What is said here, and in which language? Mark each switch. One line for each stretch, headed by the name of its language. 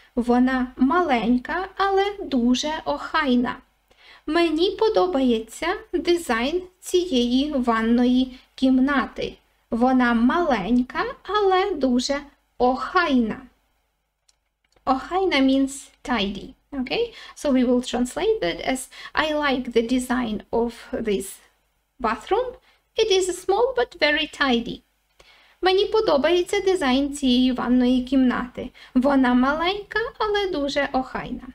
Ukrainian: Вона маленька, але дуже охайна. Мені подобається дизайн цієї ванної кімнати. Вона маленька, але дуже охайна.
English: Охайна means tidy. Okay, so we will translate that as I like the design of this bathroom. It is small but very tidy.
Ukrainian: Мені подобається дизайн цієї ванної кімнати. Вона маленька, але дуже охайна.